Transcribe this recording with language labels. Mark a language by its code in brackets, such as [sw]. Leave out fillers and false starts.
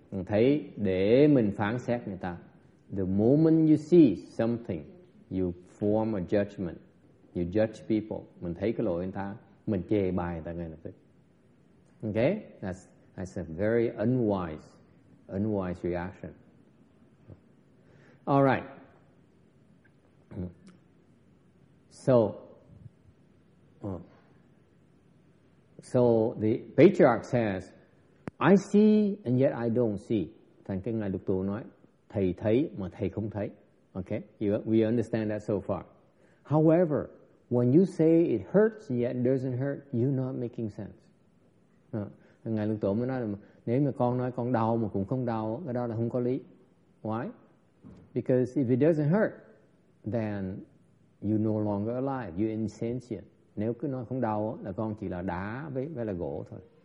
[vi] Thấy để mình phán xét người ta. [en] The moment you see something, you form a judgment. You judge people. [vi] Mình thấy cái lỗi người ta, mình chê bai người ta ngay lập tức. [en] Okay? That's a very unwise reaction. All right. So the patriarch says, I see and yet I don't see. [vi] Thành cái ngài lục tổ nói, thầy thấy mà thầy không thấy. [en] Okay, we understand that so far. However, when you say it hurts yet it doesn't hurt, you're not making sense. [vi] Ngài lục tổ mới nói là, nếu mà con nói con đau mà cũng không đau, cái đó là không có lý. [en] Why? Because if it doesn't hurt, then you're no longer alive. You're insentient. [vi] Nếu cứ nói không đau là con chỉ là đá với là gỗ thôi.